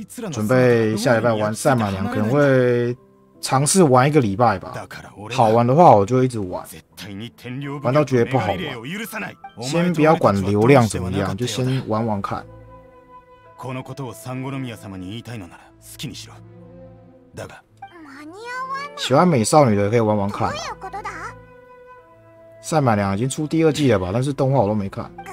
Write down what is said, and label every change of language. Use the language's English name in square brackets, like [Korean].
[Chinese] 准备下礼拜玩赛马娘，可能会尝试玩一个礼拜吧。好玩的话，我就一直玩，玩到觉得不好玩，先不要管流量怎么样，就先玩玩看。 [Japanese] このことを三国の宮様に言いたいのなら好きにしろ。だが、 [Chinese] 喜欢美少女的可以玩玩看。赛马娘已经出第二季了吧？但是动画我都没看。